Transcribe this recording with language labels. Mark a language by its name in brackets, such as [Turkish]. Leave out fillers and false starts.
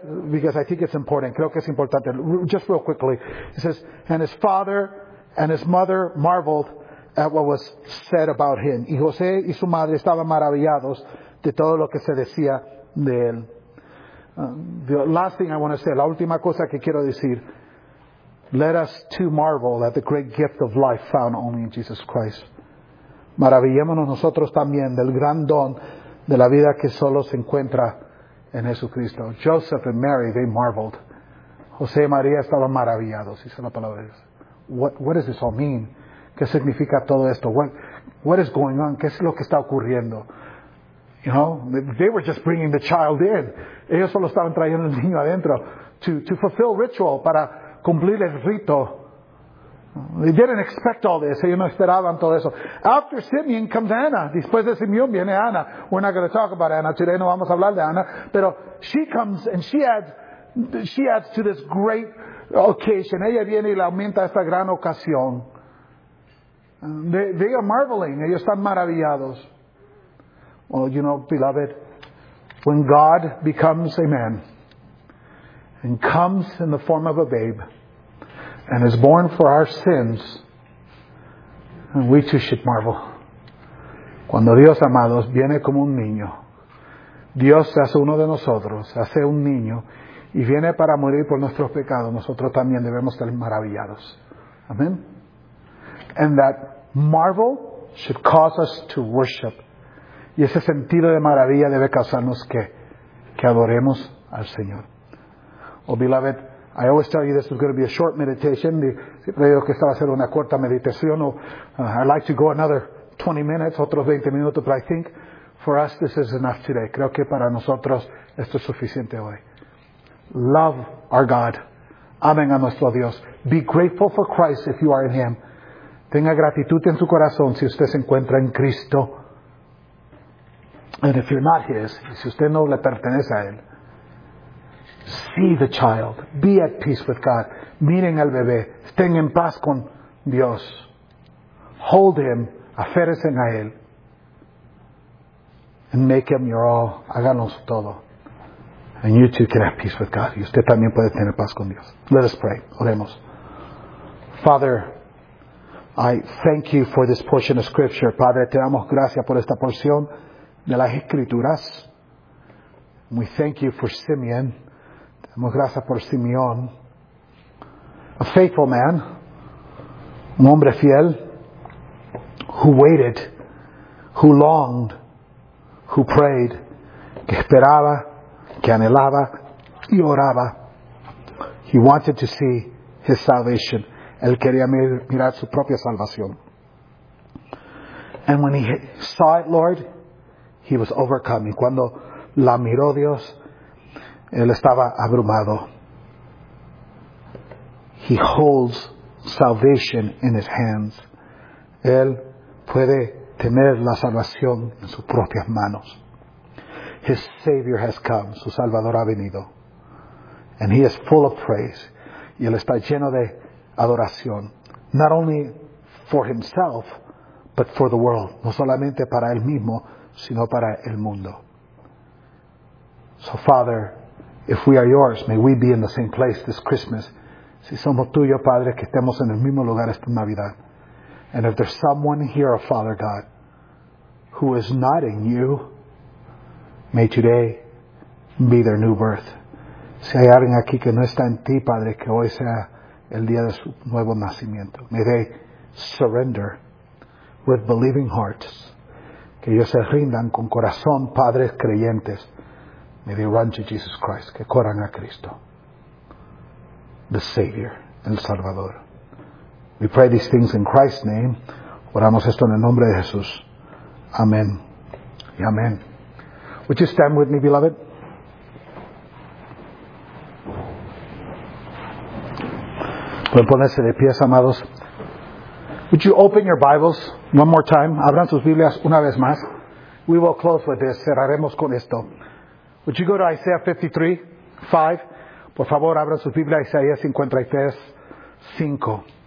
[English] Because I think it's important. [Spanish] Creo que es importante. [English] Just real quickly. It says, and his father and his mother marveled at what was said about him. [Spanish] Y José y su madre estaban maravillados de todo lo que se decía de él. [English] The last thing I want to say, [Spanish] la última cosa que quiero decir, [English] let us too marvel at the great gift of life found only in Jesus Christ. [Spanish] Maravillémonos nosotros también del gran don de la vida que solo se encuentra en Jesucristo. [English] Joseph and Mary, they marveled. [Spanish] José y María estaban maravillados. Dice la palabra de Dios. [English] What does this all mean? [Spanish] ¿Qué significa todo esto? [English] What is going on? [Spanish] ¿Qué es lo que está ocurriendo? [English] You know, they were just bringing the child in. [Spanish] Ellos solo estaban trayendo el niño adentro. [English] To fulfill ritual, [Spanish] para cumplir el rito. [English] They didn't expect all this. [Spanish] Ellos no esperaban todo eso. [English] After Simeon comes Anna. [Spanish] Después de Simeón viene Anna. [English] We're not going to talk about Anna today. [Spanish] No vamos a hablar de Anna. [English] Pero she comes and she adds to this great occasion. [Spanish] Ella viene y le aumenta esta gran ocasión. [English] They are marveling. [Spanish] Ellos están maravillados. [English] Well, you know, beloved, when God becomes a man and comes in the form of a babe and is born for our sins, and we too should marvel. [Spanish] Cuando Dios, amados, viene como un niño, Dios se hace uno de nosotros, se hace un niño, y viene para morir por nuestros pecados, nosotros también debemos estar maravillados. [English] Amen. And that marvel should cause us to worship. [Spanish] Y ese sentido de maravilla debe causarnos que adoremos al Señor. [English] Oh, beloved, I always tell you this is going to be a short meditation. [Spanish] Siempre digo que esta va a ser una corta meditación. [English] I'd like to go another 20 minutes, [Spanish] otros 20 minutos, [English] but I think for us this is enough today. [Spanish] Creo que para nosotros esto es suficiente hoy. [English] Love our God. [Spanish] Amen a nuestro Dios. [English] Be grateful for Christ if you are in Him. [Spanish] Tenga gratitud en su corazón si usted se encuentra en Cristo. [English] And if you're not His, [Spanish] si usted no le pertenece a Él, [English] see the child. Be at peace with God. [Spanish] Miren al bebé. Estén en paz con Dios. [English] Hold Him. [Spanish] Aférrese a Él. [English] And make Him your all. [Spanish] Háganos todo. [English] And you too can have peace with God. [Spanish] Y usted también puede tener paz con Dios. [English] Let us pray. [Spanish] Oremos. [English] Father, I thank you for this portion of Scripture. [Spanish] Padre, te damos gracias por esta porción de las Escrituras. [English] We thank you for Simeon. [Spanish] Damos gracias por Simeón. [English] A faithful man. [Spanish] Un hombre fiel. Who waited. Who longed. Who prayed. Que esperaba. Que anhelaba. Y oraba. [English] He wanted to see his salvation. [Spanish] Él quería mirar su propia salvación. [English] And when he saw it, Lord, he was overcome. [Spanish] Y cuando la miró Dios, él estaba abrumado. [English] He holds salvation in his hands. [Spanish] Él puede tener la salvación en sus propias manos. [English] His Savior has come. [Spanish] Su Salvador ha venido. [English] And he is full of praise. [Spanish] Y él está lleno de adoración. [English] Not only for himself, but for the world. [Spanish] No solamente para él mismo, sino para el mundo. [English] So, Father, if we are yours, may we be in the same place this Christmas. [Spanish] Si somos tuyos, Padre, que estemos en el mismo lugar esta Navidad. [English] And if there's someone here, Father God, who is not in you, may today be their new birth. [Spanish] Si hay alguien aquí que no está en ti, Padre, que hoy sea el día de su nuevo nacimiento. [English] May they surrender with believing hearts. [Spanish] Que ellos se rindan con corazón, padres creyentes. [English] May they run to Jesus Christ. [Spanish] Que corran a Cristo. [English] The Savior, [Spanish] el Salvador. [English] We pray these things in Christ's name. [Spanish] Oramos esto en el nombre de Jesús. Amén. Y amén. [English] Would you stand with me, beloved? [Spanish] Pueden ponerse de pies, amados. [English] Would you open your Bibles one more time? [Spanish] Abran sus Biblias una vez más. [English] We will close with this. [Spanish] Cerraremos con esto. [English] Would you go to Isaiah 53:5? [Spanish] Por favor, abran sus Biblias a Isaías 53:5.